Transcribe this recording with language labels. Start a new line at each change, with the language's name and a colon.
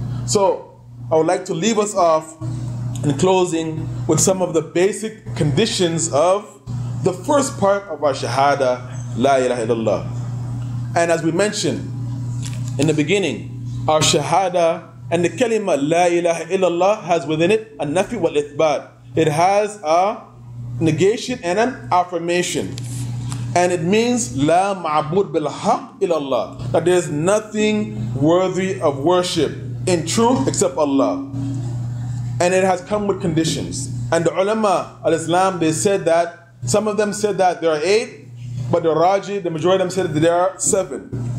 English: So I would like to leave us off in closing with some of the basic conditions of the first part of our shahada, La ilaha illallah. And as we mentioned in the beginning, our shahada and the kalima, La ilaha illallah, has within it a nafi wal ithbat. It has a negation and an affirmation. And it means
Arabic: لا معبود بالحق إلا الله.
English: That there is nothing worthy of worship in truth except Allah. And it has come with conditions. And the ulama al-Islam, they said that, some of them said that there are eight, but the Raji, the majority of them said that there are seven.